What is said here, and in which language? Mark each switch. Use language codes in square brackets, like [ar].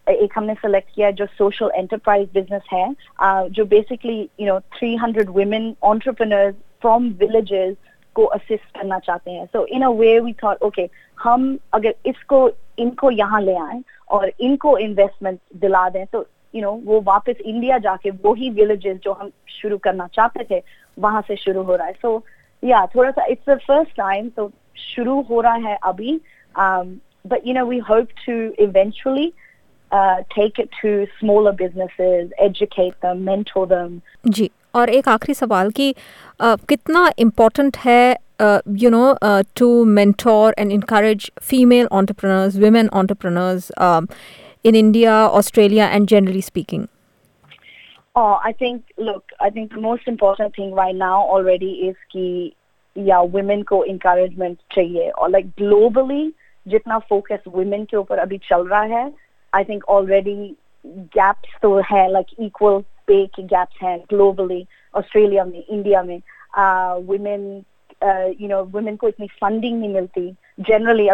[hi] एक हमने सेलेक्ट किया जो सोशल एंटरप्राइज बिजनेस है जो basically you know 300 women entrepreneurs from villages को असिस्ट करना चाहते हैं. [en] so in a way we thought okay [hi] हम अगर इसको इनको यहाँ ले आए और इनको इन्वेस्टमेंट दिला दें तो यू नो वो वापस इंडिया जाके वही विलेजेस जो हम शुरू करना चाहते थे वहां से शुरू हो रहा है. सो या थोड़ा सा इट्स द फर्स्ट टाइम तो शुरू हो रहा है अभी, [en] but you know we hope to eventually take it to smaller businesses, educate them, mentor them. [hi] ji aur ek aakhri sawal ki kitna important hai [en] you know to mentor and encourage female entrepreneurs, women entrepreneurs in India, Australia and generally speaking. I think the most important thing right now already [hi] is ki yeah women ko encouragement chahiye or like globally जितना focus women के ऊपर अभी चल रहा है, I think already gaps तो है, like equal pay के गैप्स हैं ग्लोबली, ऑस्ट्रेलिया में, इंडिया में वुमेन यू नो वुमेन को इतनी फंडिंग नहीं मिलती जनरली.